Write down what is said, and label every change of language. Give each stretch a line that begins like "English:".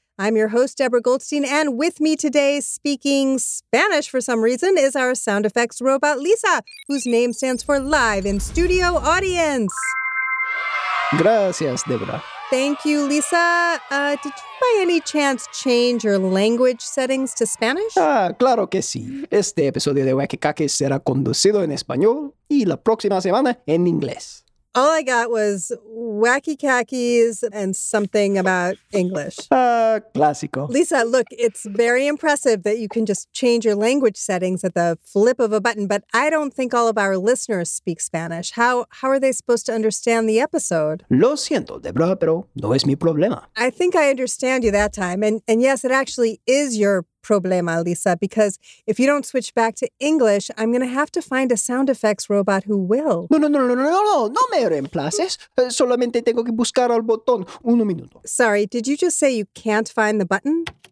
English: I'm your host, Deborah Goldstein, and with me today, speaking Spanish for some reason, is our sound effects robot, Lisa, whose name stands for Live in Studio Audience.
Spanish: Gracias, Deborah.
English: Thank you, Lisa. Did you by any chance change your language settings to Spanish?
Spanish: Ah, claro que sí. Este episodio de Wacky Khakis será conducido en español y la próxima semana en inglés.
English: All I got was Wacky Khakis and something about English.
Spanish: Clásico.
English: Lisa, look, it's very impressive that you can just change your language settings at the flip of a button, but I don't think all of our listeners speak Spanish. How are they supposed to understand the episode?
Spanish: Lo siento, Deborah, pero no es mi problema.
English: I think I understand you that time. And yes, it actually is your problema, Lisa, because if you don't switch back to English, I'm going to have to find a sound effects robot who will.
Spanish: No, me reemplaces. Solamente tengo que buscar el botón. Uno minuto.
English: Sorry, did you just say you can't find the button?